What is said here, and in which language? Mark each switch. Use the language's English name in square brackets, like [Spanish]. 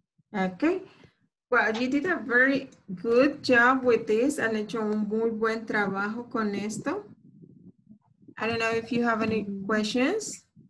[English] Okay, well, you did a very good job with this. [Spanish] Han hecho un muy buen trabajo con esto. [English] I don't know if you have any questions.